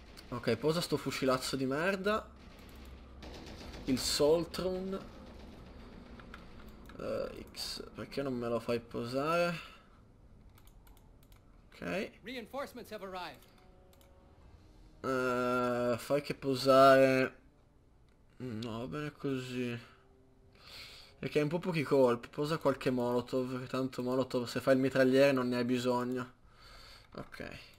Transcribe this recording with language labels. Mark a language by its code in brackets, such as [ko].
[it] Ok, posa sto fucilazzo di merda. Il Soltron. X, perché non me lo fai posare? Ok. [en] Reinforcements have arrived. [it] Fai che posare. No, va bene così. Perché hai un po' pochi colpi. Posa qualche Molotov, che tanto Molotov se fai il mitragliere non ne hai bisogno. Ok.